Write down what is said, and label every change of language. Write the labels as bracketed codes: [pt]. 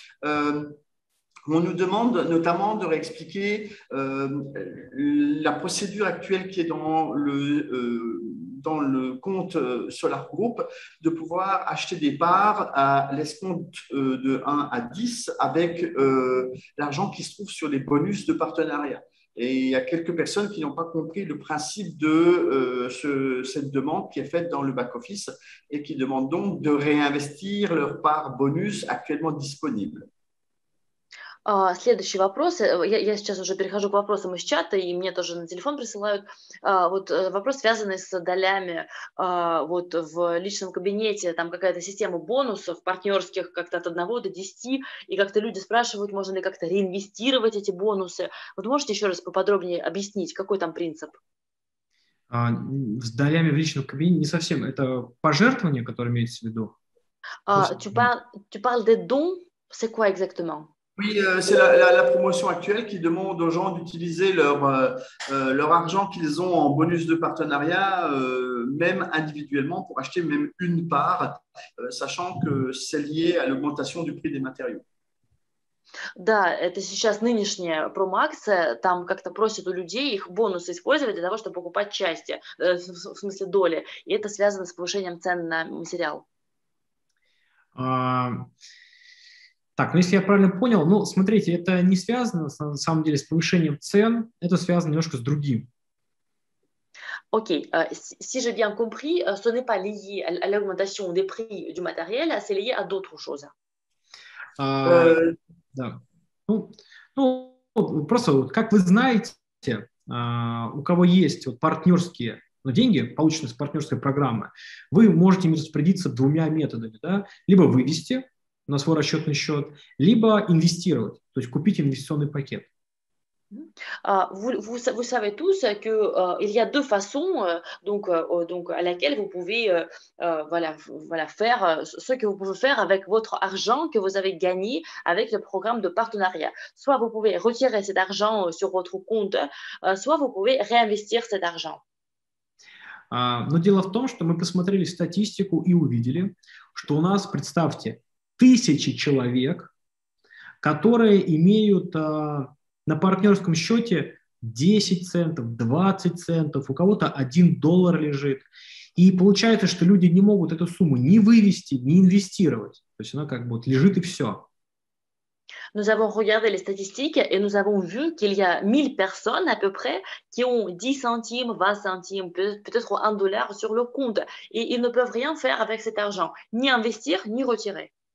[fr] On nous demande notamment de réexpliquer la procédure actuelle qui est dans le compte Solar Group, de pouvoir acheter des parts à l'escompte de 1 à 10 avec l'argent qui se trouve sur les bonus de partenariat. Et il y a quelques personnes qui n'ont pas compris le principe de cette demande qui est faite dans le back-office et qui demandent donc de réinvestir leur part bonus actuellement disponible. [ru] Следующий вопрос. Я сейчас уже перехожу к вопросам из чата, и мне тоже на телефон присылают. Вот вопрос, связанный с долями вот в личном кабинете. Там какая-то система бонусов партнерских как-то от 1 до 10, и как-то люди спрашивают, можно ли как-то реинвестировать эти бонусы. Вот можете еще раз поподробнее объяснить, какой там принцип? С долями в личном кабинете не совсем. Это пожертвование, которое имеется в виду? [fr] Tu parles des dons, c'est quoi exactement? Oui, c'est la promotion actuelle qui demande aux gens d'utiliser leur argent qu'ils ont en bonus de partenariat, même individuellement, pour acheter même une part, sachant que c'est lié à l'augmentation du prix des matériaux. [ru] Да, это сейчас нынешняя промо-акция, там как-то просят у людей их бонусы использовать для того, чтобы покупать части, в смысле доли, и это связано с повышением цен на материал. Так, ну если я правильно понял, ну смотрите, это не связано на самом деле с повышением цен, это связано немножко с другим. Окей, [fr] si j'ai bien compris, ce n'est pas lié à l'augmentation des prix du matériel, c'est lié à d'autres choses. [ru] Да, ну просто вот, как вы знаете, у кого есть вот, партнерские деньги, полученные с партнерской программы, вы можете им распорядиться двумя методами, да, либо вывести на свой расчетный счет, либо инвестировать, то есть купить инвестиционный пакет. [fr] Vous savez tous que il y a deux façons donc à laquelle vous pouvez voilà faire ce que vous pouvez faire avec votre argent que vous avez gagné avec le programme de partenariat. Soit vous pouvez retirer cet argent sur votre compte, soit vous pouvez réinvestir cet argent. [ru] Но дело в том, что мы посмотрели статистику и увидели, что у нас, представьте, тысячи человек, которые имеют на партнерском счете 10 центов, 20 центов, у кого-то 1 доллар лежит. И получается, что люди не могут эту сумму ни вывести, ни инвестировать. То есть она как бы вот лежит и все. [fr] Nous avons regardé les statistiques et nous avons vu qu'il y a 1000 personnes à peu près qui ont 10 centimes, 20 centimes, peut-être 1 dollar sur leur compte. Et ils ne peuvent rien faire avec cet argent, [ru] ни [fr] investir, ни retirer.